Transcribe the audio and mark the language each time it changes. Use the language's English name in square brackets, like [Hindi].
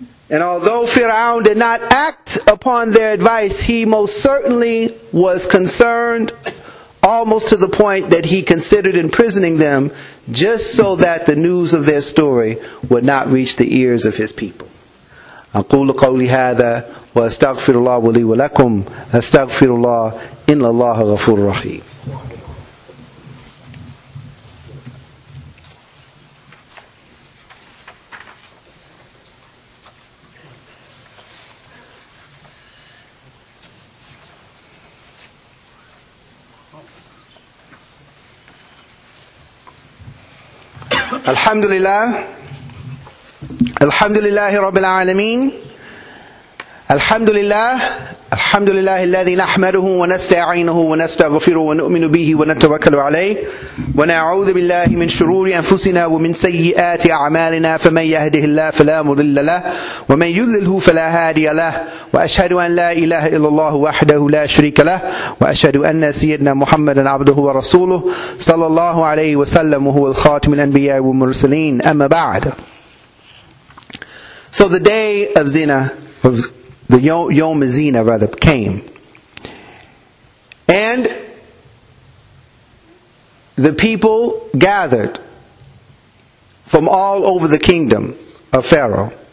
[English] And although Pharaoh did not act upon their advice, he most certainly was concerned, almost to the point that he considered imprisoning them just so that the news of their story would not reach the ears of his people. [Arabic] أقول قولي هذا وأستغفر الله لي ولكم أستغفر الله إن الله غفور رحيم. الحمد لله الحمد لله رب العالمين الحمد لله الذي نحمده ونستعينه ونستغفره ونؤمن به ونتوكل عليه ونعوذ بالله من شرور أنفسنا ومن سيئات أعمالنا فمن يهده الله فلا مضل له ومن يضلله فلا هادي له وأشهد أن لا إله إلا الله وحده لا شريك له وأشهد أن سيدنا محمدا عبده ورسوله صلى الله عليه وسلم وهو الخاتم الأنبياء والمرسلين أما بعد. [English] So the day of Zina, of the Yom Zina rather, came. And the people gathered from all over the kingdom of Pharaoh.